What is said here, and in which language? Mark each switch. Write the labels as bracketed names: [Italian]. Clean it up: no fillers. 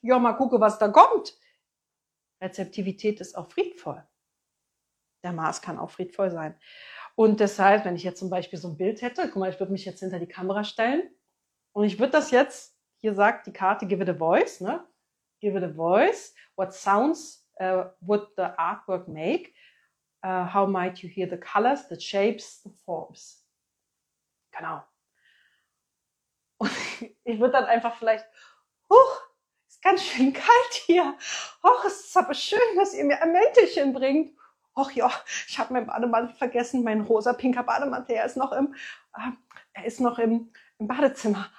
[German] Ja, mal gucke, was da kommt. Rezeptivität ist auch friedvoll. Der Mars kann auch friedvoll sein. Und deshalb, wenn ich jetzt zum Beispiel so ein Bild hätte, guck mal, ich würde mich jetzt hinter die Kamera stellen und ich würde das jetzt, hier sagt die Karte, [English] give it a voice, [German] ne? [English] Give it a voice. What sounds would the artwork make? How might you hear the colors, the shapes, the forms? [German] Genau. Und ich würde dann einfach vielleicht, huch, ist ganz schön kalt hier. Och, es ist aber schön, dass ihr mir ein Mäntelchen bringt. Och ja, ich habe meinen Bademantel vergessen, mein rosa-pinker Bademantel, er ist noch im Badezimmer.